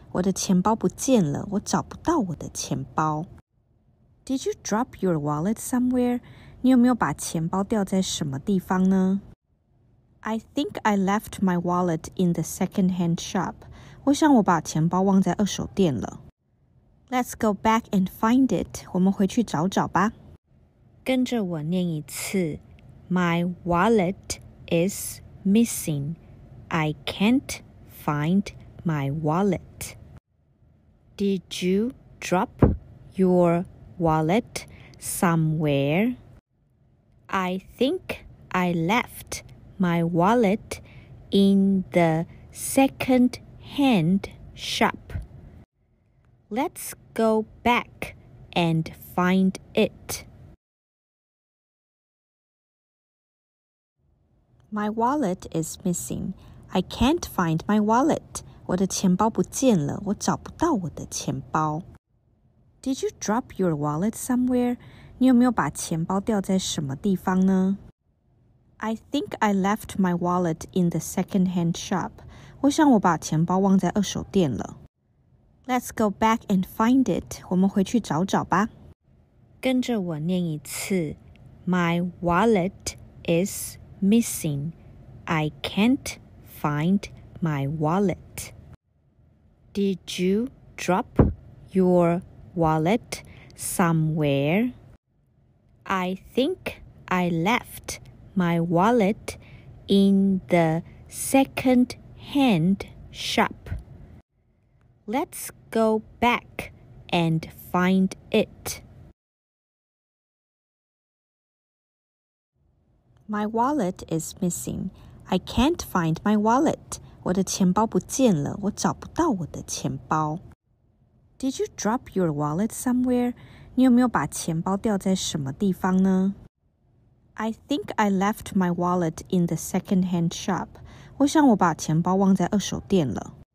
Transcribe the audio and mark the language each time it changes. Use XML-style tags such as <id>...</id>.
<zh>我的钱包不见了，我找不到我的钱包。</zh> <en>Did you drop your wallet somewhere?</en> <zh>你有没有把钱包掉在什么地方呢？</zh> <en>I think I left my wallet in the second-hand shop.</en> <zh>我想我把钱包忘在二手店了。</zh> <en>Let's go back and find it.</en> <zh>我们回去找找吧。跟着我念一次。</zh> <en>My wallet is missing. I can't find my wallet. Did you drop your wallet somewhere? I think I left. My wallet in the second-hand shop. Let's go back and find it. My wallet is missing. I can't find my wallet.</en> <zh>我的钱包不见了，我找不到我的钱包。</zh> <en>Did you drop your wallet somewhere?</en> <zh>你有没有把钱包掉在什么地方呢？</zh> <en>I think I left my wallet in the second-hand shop.</en> <zh>我想我把钱包忘在二手店了。</zh> <en>Let's go back and find it.</en> <zh>我们回去找找吧。跟着我念一次。</zh> <en>My wallet is missing. I can't find my wallet. Did you drop your wallet somewhere? I think I left. My wallet in the second-hand shop. Let's go back and find it. My wallet is missing. I can't find my wallet.</en> <zh>我的钱包不见了，我找不到我的钱包。</zh> <en>Did you drop your wallet somewhere?</en> <zh>你有没有把钱包掉在什么地方呢？</zh> <en>I think I left my wallet in the second-hand shop.</en> <zh>我想我把钱包忘在二手店了。</zh>